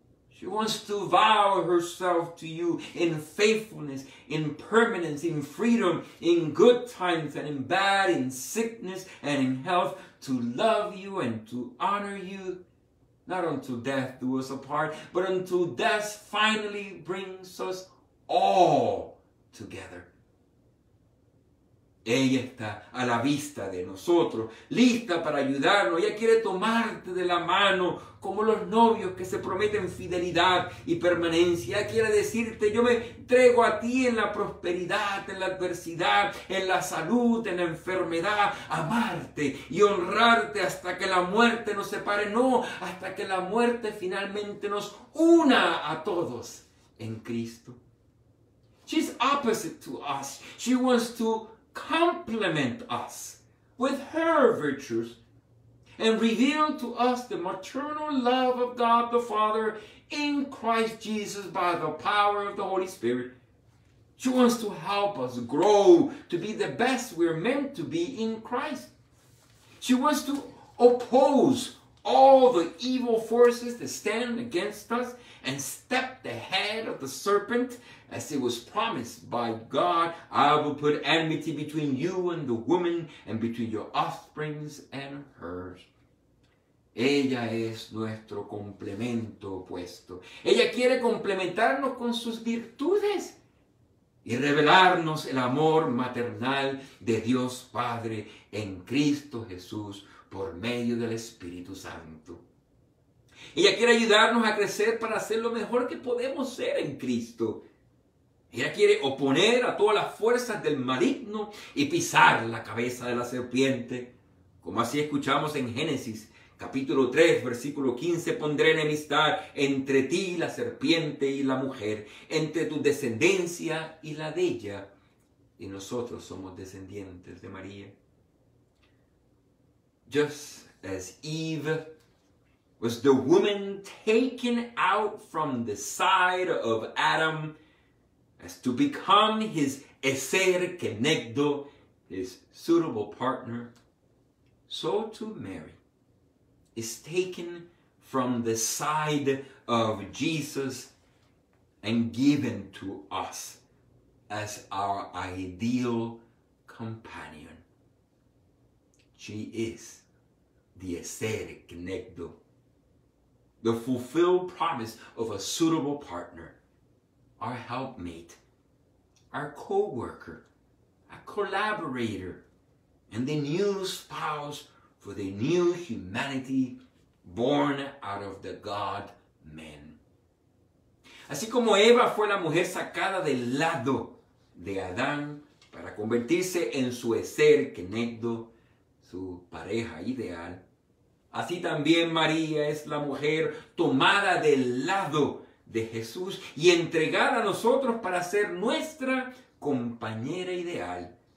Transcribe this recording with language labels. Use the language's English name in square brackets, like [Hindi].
[English] She wants to vow herself to you in faithfulness, in permanence, in freedom, in good times and in bad, in sickness and in health, to love you and to honor you. Not until death do us apart, but until death finally brings us all together. [Spanish] Ella está a la vista de nosotros, lista para ayudarnos. Ella quiere tomarte de la mano como los novios que se prometen fidelidad y permanencia. Ella quiere decirte, yo me entrego a ti en la prosperidad, en la adversidad, en la salud, en la enfermedad. Amarte y honrarte hasta que la muerte nos separe. No, hasta que la muerte finalmente nos una a todos en Cristo. [English] She's opposite to us. She wants to complement us with her virtues and reveal to us the maternal love of God the Father in Christ Jesus by the power of the Holy Spirit. She wants to help us grow to be the best we're meant to be in Christ. She wants to oppose all the evil forces that stand against us and step the head of the serpent, as it was promised by God, I will put enmity between you and the woman and between your offsprings and hers. [Spanish] Ella es nuestro complemento opuesto. Ella quiere complementarnos con sus virtudes y y revelarnos el amor maternal de Dios Padre en Cristo Jesús por medio del Espíritu Santo. Ella quiere ayudarnos a crecer para ser lo mejor que podemos ser en Cristo. Ella quiere oponer a todas las fuerzas del maligno y pisar la cabeza de la serpiente. Como así escuchamos en Génesis capítulo 3, versículo 15, pondré enemistad entre ti, la serpiente y la mujer, entre tu descendencia y la de ella. Y nosotros somos descendientes de María. [English] Just as Eve was the woman taken out from the side of Adam as to become his eser kenegdo, his suitable partner, so too Mary is taken from the side of Jesus and given to us as our ideal companion. She is the eser kenegdo, the fulfilled promise of a suitable partner, our helpmate, our co-worker, a collaborator, and the new spouse for the new humanity born out of the God-man. [Spanish] Así como Eva fue la mujer sacada del lado de Adán para convertirse en su ser kenegdo, su pareja ideal, así también María es la mujer tomada del lado de Jesús y entregada a nosotros para ser nuestra compañera ideal,